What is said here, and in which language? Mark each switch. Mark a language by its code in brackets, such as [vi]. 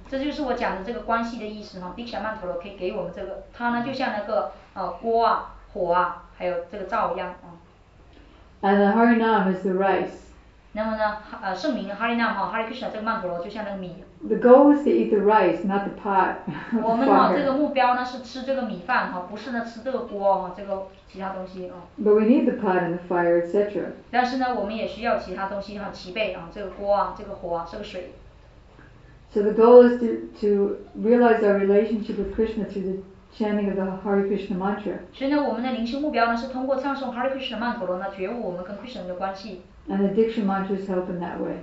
[zh] 这就是我讲的这个关系的意思哈。 Diksha mantra 可以给我们这个，它呢就像那个锅啊、火啊，还有这个灶一样啊。 [en] And the Harinam is the rice. [zh] 那么呢，圣名哈利纳哈哈利克什纳这个曼陀罗就像那个米。 [en] The goal is to eat the rice, not the pot. [zh] 我们呢这个目标呢是吃这个米饭哈，不是呢吃这个锅哈，这个其他东西啊。 [en] But we need the pot and the fire, etc. [zh] 但是呢，我们也需要其他东西哈，齐备啊，这个锅啊，这个火啊，这个水。 [en] So the goal is to realize our relationship with Krishna through the chanting of the Hare Krishna mantra. [zh] 所以呢，我们的灵修目标呢是通过唱诵 Hare Krishna 曼陀罗呢，觉悟我们跟 Krishna 的关系。 [en] And the Diksha mantra is helping that way.